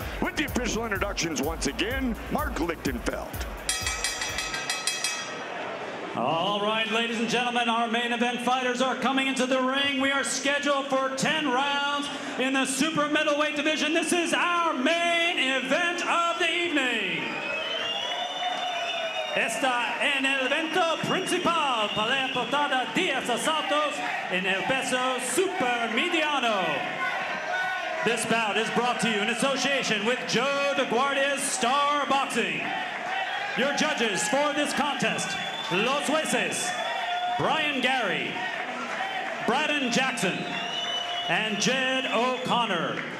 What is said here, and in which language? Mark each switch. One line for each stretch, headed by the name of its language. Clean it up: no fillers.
English: With the official introductions once again, Mark Lichtenfeld. All right, ladies and gentlemen, our main event fighters are coming into the ring. We are scheduled for 10 rounds in the super middleweight division. This is our main event of the evening.
Spanish: Está en el evento principal, pelea portada 10 asaltos en el peso super mediano.
English: This bout is brought to you in association with Joe DeGuardia's Star Boxing. Your judges for this contest:
Spanish: Los Jueces,
English: Brian Gary, Braden Jackson, and Jed O'Connor.